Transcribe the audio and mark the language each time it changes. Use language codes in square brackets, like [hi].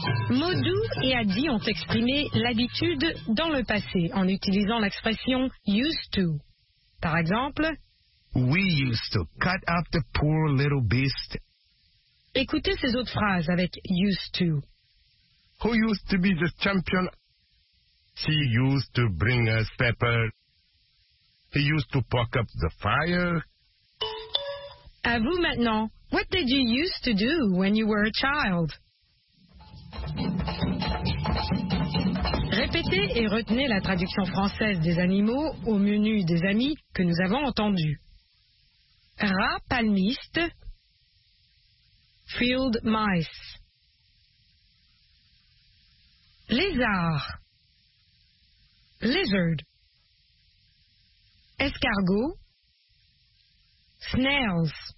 [fr] Modou et Adi ont exprimé l'habitude dans le passé en utilisant l'expression « used to ». Par exemple, [en] « We used to cut up the poor little beast ». [fr] Écoutez ces autres phrases avec « used to ». [en] Who used to be the champion? She used to bring us pepper. He used to poke up the fire. [fr] À vous maintenant. [en] What did you used to do when you were a child? [fr] Répétez et retenez la traduction française des animaux au menu des amis que nous avons entendu. Rat palmiste, [en] field mice, [fr] lézard, [en] lizard, [fr] escargot, [en] snails,